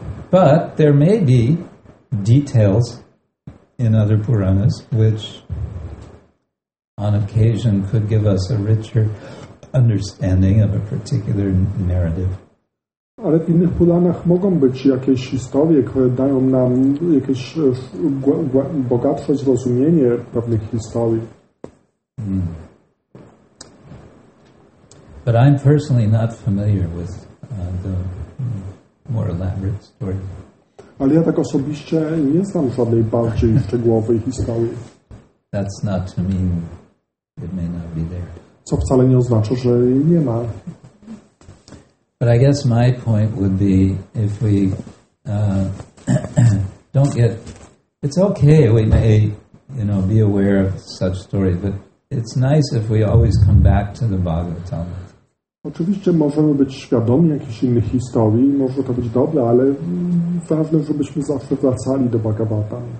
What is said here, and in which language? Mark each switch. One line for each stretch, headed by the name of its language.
English: But there may be details in other Puranas which on occasion could give us a richer understanding of a particular narrative.
Polish: Ale w innych Puranach mogą być jakieś historie, które dają nam jakieś bogatsze zrozumienie pewnych historii. Hmm.
English: But I'm personally not familiar with the more elaborate story.
Polish: Ale ja tak osobiście nie znam żadnej bardziej szczegółowej historii.
English: That's not to mean it may not be there.
Polish: Co wcale nie oznacza, że nie ma.
English: But I guess my point would be if we don't get it's okay, we may, you know, be aware of such stories, but it's nice if we always come back to the Bhagavatam.
Polish: Oczywiście możemy być świadomi jakichś innych historii, może to być dobre, ale ważne, żebyśmy zawsze wracali do Bhagavata.